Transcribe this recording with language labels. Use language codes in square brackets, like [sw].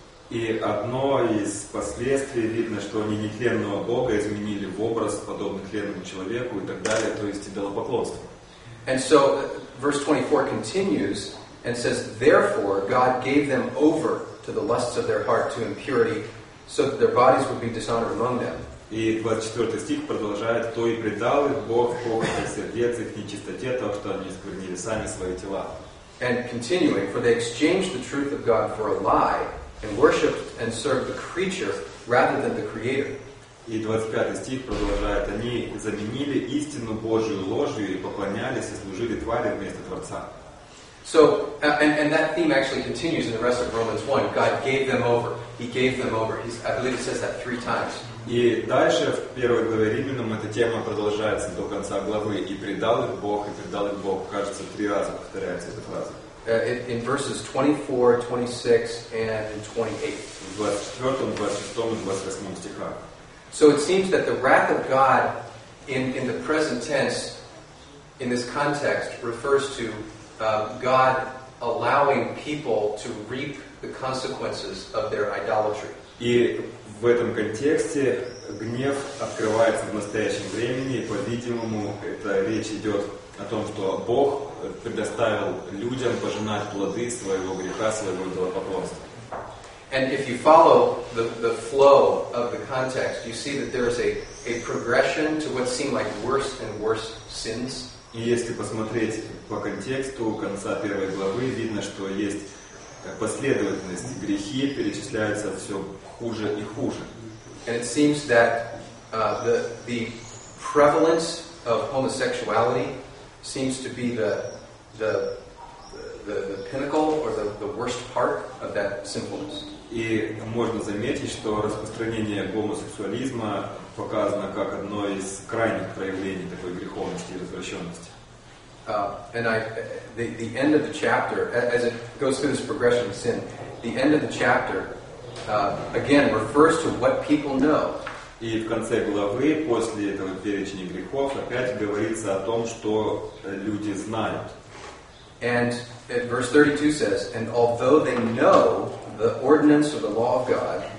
[ru] И одно из последствий видно, что они нетленного Бога изменили в образ подобный тленному человеку и так далее, то есть идолопоклонство. [en] And so verse 24 continues and says, therefore God gave them over to the lusts of their heart, to impurity, so that their bodies would be dishonored among them. [ru] И 24 стих продолжает, то и предал их Бог в похоти сердец их нечистоте, то, что они искоренили сами свои тела. [en] And continuing, for they exchanged the truth of God for a lie, and worshiped and served the creature rather than the creator. [ru] И 25 стих продолжает: они заменили истину Божию ложью и поклонялись и служили твари вместо Творца. [en] So, and that theme actually continues in the rest of Romans 1. God gave them over. He gave them over. He's, I believe it says that three times. [ru] И дальше в первой главе Римлянам эта тема продолжается до конца главы. И предал их Бог, и предал их Бог. Кажется, три раза повторяется эта фраза. [en] In verses 24, 26, and 28. [ru] В 24, 26, и 28 стихах. [en] So it seems that the wrath of God in the present tense, in this context, refers to God allowing people to reap the consequences of their idolatry. [ru] И в этом контексте гнев открывается в настоящем времени, и, по-видимому, это речь идет о том, что Бог предоставил людям пожинать плоды своего греха, своего идолопоклонства. [en] And if you follow the flow of the context, you see that there is a progression to what seem like worse and worse sins. [ru] И если посмотреть по контексту конца первой главы, видно, что есть последовательность. Грехи перечисляются все хуже и хуже. [en] And it seems that the prevalence of homosexuality seems to be the pinnacle or the worst part of that sinfulness. [ru] И можно заметить, что распространение гомосексуализма показано как одно из крайних проявлений такой греховности и развращенности. [en] And I, the end of the chapter, as it goes through this progression of sin, the end of the chapter, again, refers to what people know. [ru] И в конце главы, после этого перечня грехов, опять говорится о том, что люди знают. [en] And verse 32 says, and although they know the ordinance of the law of God.